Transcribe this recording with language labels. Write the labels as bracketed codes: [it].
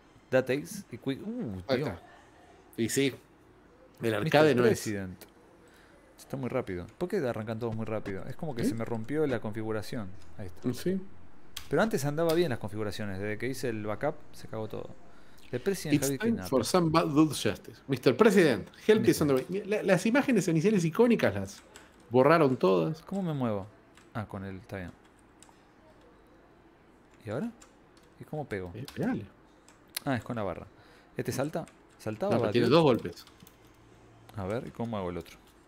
[es] Data X y Quick. Tío. Y sí. El arcade no [en] President. [es] Es. Está muy rápido. ¿Por qué arrancan todos muy rápido? Es como que se me rompió la configuración. Ahí está. Sí. Pero antes andaba bien las configuraciones. Desde que hice el backup, se cagó todo. [en] The President, it's time for some bad dude justice. Mr. President, help is on the way. [es] Las imágenes iniciales icónicas las borraron todas. ¿Cómo me muevo? Ah, con el... Está bien. ¿Y ahora? ¿Y cómo pego? Dale. Ah, es con la barra. ¿Este salta? ¿Saltaba? No, tiene dos golpes. A ver, ¿y cómo hago el otro?